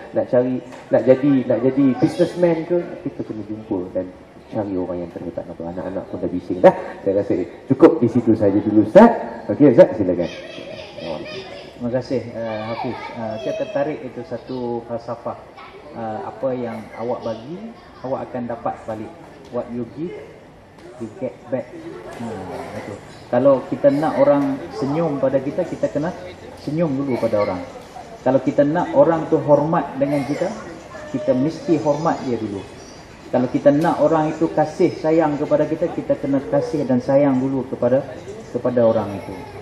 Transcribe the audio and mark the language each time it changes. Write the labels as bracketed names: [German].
[Malay] Nak jadi businessman ke, kita kena jumpa dan cari orang yang terhebat. Nampak anak-anak pun dah bising dah. Saya rasa cukup di situ saja dulu Ustaz. Okey Ustaz, silakan. Terima kasih Hafiz. Saya tertarik itu satu falsafah. Apa yang awak bagi, awak akan dapat balik. [English] What you give, you get back. [Malay] Itu. Kalau kita nak orang senyum pada kita, kita kena senyum dulu pada orang. Kalau kita nak orang tu hormat dengan kita, kita mesti hormat dia dulu. Kalau kita nak orang itu kasih sayang kepada kita, kita kena kasih dan sayang dulu kepada orang itu.